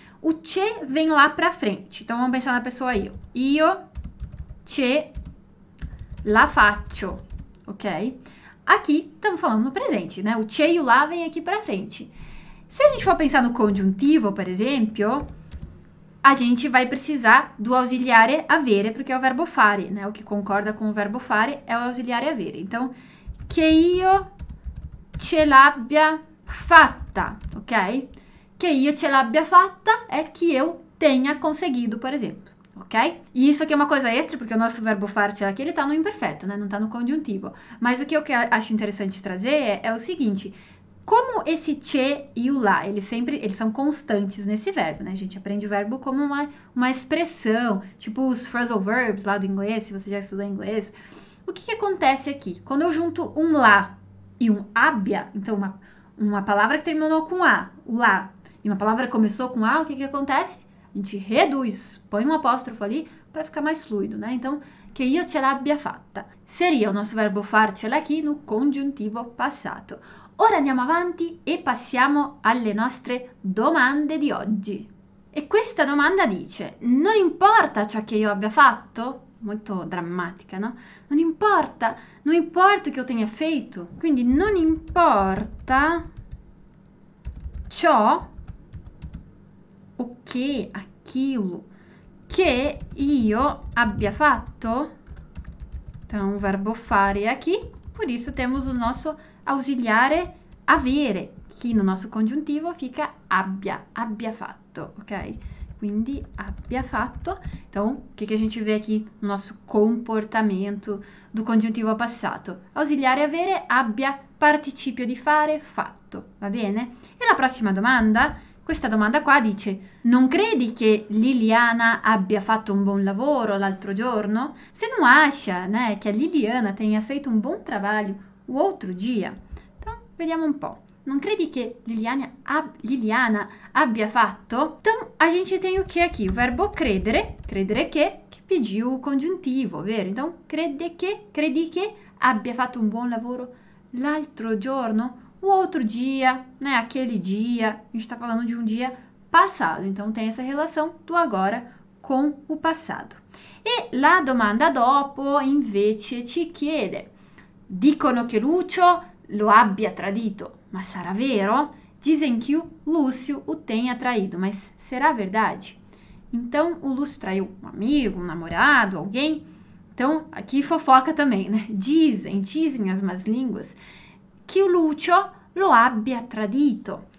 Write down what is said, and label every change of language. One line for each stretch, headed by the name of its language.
Portuguese: O c'è vem lá pra frente. Então, vamos pensar na pessoa aí.
Italian: Io c'è la faccio,
Portuguese: ok? Aqui, estamos falando no presente, né? O c'è e o la vem aqui pra frente. Se a gente for pensar no congiuntivo, por exemplo, a gente vai precisar do ausiliare avere, porque é o verbo fare, né? O que concorda com o verbo fare é o ausiliare avere. Então,
Italian: che io ce l'abbia fatta, ok? Che io ce l'abbia fatta
Portuguese: é que eu tenha conseguido, por exemplo, ok? E isso aqui é uma coisa extra, porque o nosso verbo fare aqui, ele tá no imperfeito, né? Não tá no congiuntivo. Mas o que eu acho interessante trazer é o seguinte. Como esse c'è e o la, eles são constantes nesse verbo, né? A gente aprende o verbo como uma expressão, tipo os phrasal verbs lá do inglês, se você já estudou inglês. O que que acontece aqui? Quando eu junto um la e um abbia, então uma palavra que terminou com a, o la, e uma palavra que começou com a, o que que acontece? A gente reduz, põe um apóstrofo ali para ficar mais fluido, né? Então,
Italian: che io ce l'abbia fatta.
Portuguese: Seria o nosso verbo farcela aqui no congiuntivo passato.
Italian: Ora andiamo avanti e passiamo alle nostre domande di oggi. E questa domanda dice, non importa ciò che io abbia fatto? Molto drammatica, no? Non importa, non importa che io tenha feito. Quindi non importa ciò o che, aquilo, che io abbia fatto.
Portuguese: Então, o verbo fare aqui, por isso temos o nosso ausiliare avere, que no nosso congiuntivo fica abbia, abbia fatto, ok?
Italian: Quindi abbia fatto.
Portuguese: Então, o que a gente vê aqui no nosso comportamento do congiuntivo passato?
Italian: Ausiliare avere, abbia, participio di fare, fatto, va bene? E la prossima domanda, questa domanda qua dice, non credi che Liliana abbia fatto un buon lavoro l'altro giorno?
Portuguese: Se non acha, né, che Liliana tenha feito un buon trabalho o outro dia? Então, vediamo um pouco. Não credi que Liliana abbia fatto? Então, a gente tem o que aqui? O verbo credere, credere che pediu o congiuntivo, vero? Então, crede che, credi che
Italian: abbia fatto un buon lavoro l'altro giorno,
Portuguese: o outro dia, né, aquele dia, a gente está falando de um dia passado, então tem essa relação do agora com o passado.
Italian: E la domanda dopo invece ci chiede: dicono che Lucio lo abbia tradito, ma sarà vero?
Portuguese: Dizem que o Lúcio o tenha traído, mas será verdade? Então, o Lúcio traiu um amigo, um namorado, alguém? Então, aqui fofoca também, né? Dizem as más línguas, que o Lúcio
Italian: lo abbia tradito.